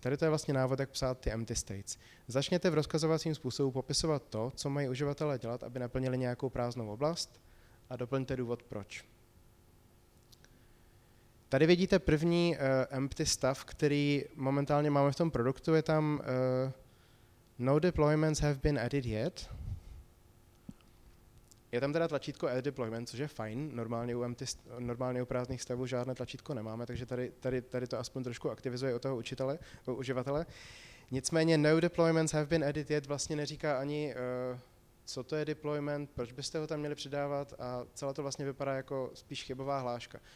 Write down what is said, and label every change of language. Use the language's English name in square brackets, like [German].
[Czech] Tady to je vlastně návod, jak psát ty empty states. Začněte v rozkazovacím způsobu popisovat to, co mají uživatelé dělat, aby naplnili nějakou prázdnou oblast a doplňte důvod proč. Tady vidíte první empty stav, který momentálně máme v tom produktu. [English] Je tam no deployments have been added yet. [Czech] Je tam teda tlačítko Add Deployment, což je fajn, normálně u prázdných stavů žádné tlačítko nemáme, takže tady to aspoň trošku aktivizuje u toho učitele, u uživatele. Nicméně [English] No Deployments Have Been Added Yet [Czech] vlastně neříká ani, co to je deployment, proč byste ho tam měli přidávat a celé to vlastně vypadá jako spíš chybová hláška.